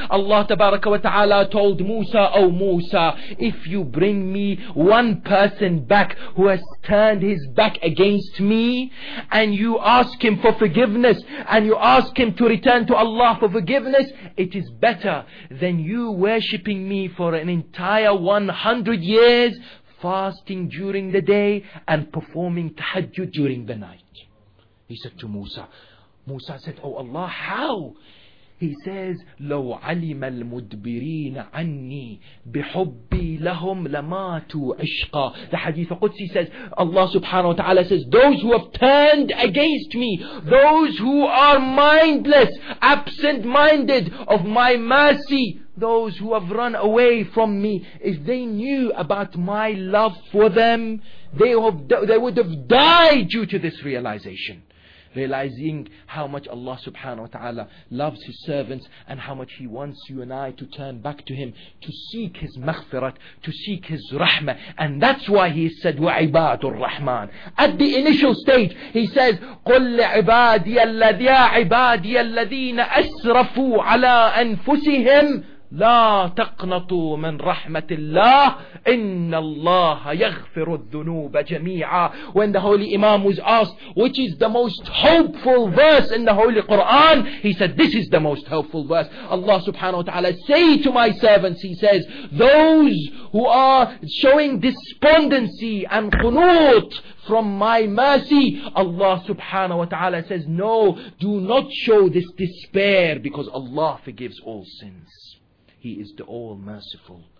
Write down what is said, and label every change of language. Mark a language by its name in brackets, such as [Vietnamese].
[English] Allah tabaraka wa ta'ala told Musa, oh Musa, if you bring me one person back who has turned his back against me, and you ask him for forgiveness, and you ask him to return to Allah for forgiveness, it is better than you worshipping me for an entire 100 years, fasting during the day and performing tahajjud during the night. He said to Musa. Musa said, oh Allah, how? [Arabic] He says, لو علم المدبرين عني بحبي لهم لماتوا عشقا. [English] The Hadith Qudsi says, Allah subhanahu wa ta'ala says, those who have turned against me, those who are mindless, absent-minded of my mercy, those who have run away from me, if they knew about my love for them, they would have died due to this realization. Realizing how much Allah subhanahu wa ta'ala loves His servants, and how much He wants you and I to turn back to Him, to seek His maghfirat, to seek His rahmah. And that's why He said, [Arabic] وَعِبَادُ الرَّحْمَانِ. [English] At the initial stage, He says, [Arabic] قُلْ لِعِبَادِيَ الَّذِيَ عِبَادِيَ الَّذِينَ أَسْرَفُوا عَلَىٰ أَنفُسِهِمْ لا تقنطوا من رحمة الله إن الله يغفر الذنوب جميعا. [English] When the Holy Imam was asked, which is the most hopeful verse in the Holy Quran, he said, this is the most hopeful verse. Allah subhanahu wa ta'ala, say to my servants, he says, those who are showing despondency and qunut from my mercy, Allah subhanahu wa ta'ala says, no, do not show this despair, because Allah forgives all sins. He is the all-merciful,